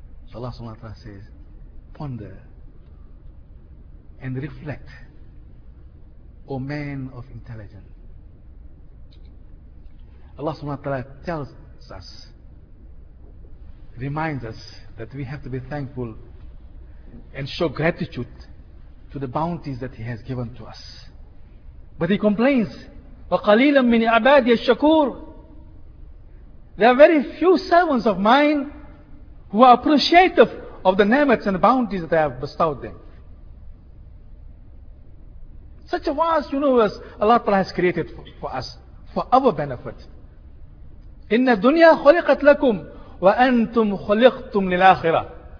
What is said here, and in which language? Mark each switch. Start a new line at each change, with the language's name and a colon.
English: So Allah subhanahu wa ta'ala says, ponder and reflect, O man of intelligence. Allah subhanahu wa ta'ala tells us, reminds us that we have to be thankful and show gratitude to the bounties that He has given to us. But He complains,
Arabic: وَقَلِيلًا مِّنْ عَبَادِيَ الشَّكُورِ.
English: There are very few servants of mine who are appreciative of the ni'mats and the bounties that I have bestowed them. Such a vast universe Allah ta'ala has created for us, for our benefit.
Arabic: إِنَّ الدُّنْيَا خُلِقَتْ لَكُمْ وَأَنْتُمْ خُلِقْتُمْ لِلْآخِرَةِ.